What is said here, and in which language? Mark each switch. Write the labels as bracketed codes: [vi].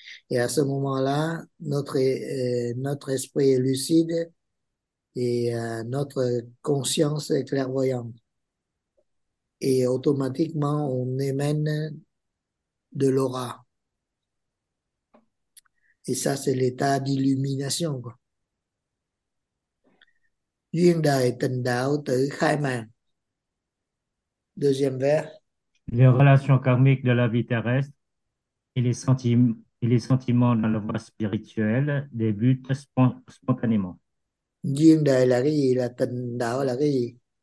[fr] Et à ce moment-là, notre esprit est lucide et notre conscience est clairvoyante. Et automatiquement, on émane de l'aura. Et ça, c'est l'état d'illumination, quoi. [vi] Duyên đời tình đạo tự khai mà. [fr] Deuxième vers. Les relations karmiques de la vie terrestre et les sentiments dans la voie spirituelle débutent spontanément. [vi] Duyên đời là cái gì? Là tình đạo là cái gì?